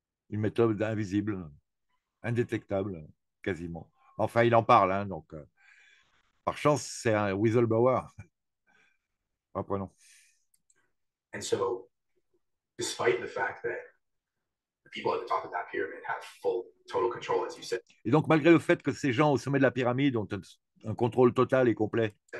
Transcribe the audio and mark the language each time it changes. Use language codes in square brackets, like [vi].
[fr] Une méthode invisible, indétectable, quasiment. Enfin, il en parle, hein, donc par chance, c'est un whistleblower. Reprenons. [en] And so, despite the fact that the people at the top of that pyramid have full, total control, as you said. [fr] Et donc, malgré le fait que ces gens au sommet de la pyramide ont un contrôle total et complet.